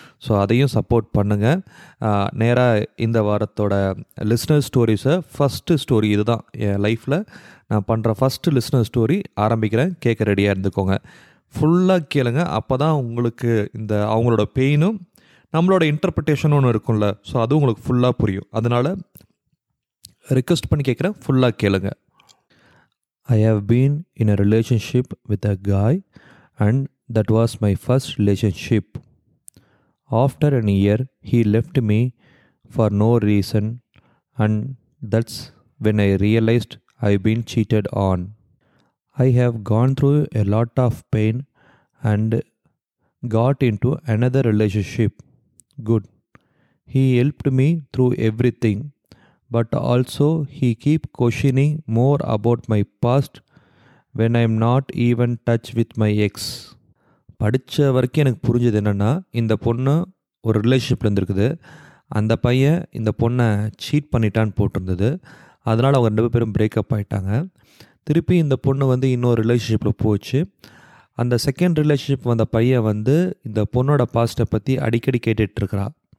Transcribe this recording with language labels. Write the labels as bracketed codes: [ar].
[ta] So அதையும் support பண்ணுங்கள். நேராக இந்த வாரத்தோட லிஸ்னர் ஸ்டோரிஸை, ஃபஸ்ட்டு ஸ்டோரி இது தான் என் லைஃப்பில் நான் பண்ணுற ஃபஸ்ட்டு லிஸ்னர் ஸ்டோரி ஆரம்பிக்கிறேன். கேட்க ரெடியாக இருந்துக்கோங்க, ஃபுல்லாக கேளுங்க. அப்போ தான் உங்களுக்கு இந்த அவங்களோட பெயினும் நம்மளோட இன்டர்ப்ரிட்டேஷனும் ஒன்று இருக்கும்ல, ஸோ அதுவும் உங்களுக்கு ஃபுல்லாக புரியும். அதனால் ரிக்வெஸ்ட் பண்ணி கேட்குறேன், ஃபுல்லாக கேளுங்க. [en] I have been in a relationship with a guy and that was my first relationship. After a year, he left me for no reason and that's when I realized I've been cheated on. I have gone through a lot of pain and got into another relationship. Good. He helped me through everything. But also he keep questioning more about my past when I'm not even touch with my ex. [ta] படித்த வரைக்கும் எனக்கு புரிஞ்சது என்னென்னா, இந்த பொண்ணு ஒரு ரிலேஷன்ஷிப்பில் இருந்திருக்குது, அந்த பையன் இந்த பொண்ணை சீட் பண்ணிட்டான்னு போட்டிருந்தது, அதனால் அவங்க ரெண்டு பேரும் பிரேக்கப் ஆகிட்டாங்க. திருப்பி இந்த பொண்ணு வந்து இன்னொரு ரிலேஷன்ஷிப்பில் போச்சு. அந்த செகண்ட் ரிலேஷன்ஷிப் வந்த பையன் வந்து இந்த பொண்ணோட பாஸ்ட்டை பற்றி அடிக்கடி கேட்டுட்ருக்கிறாள்.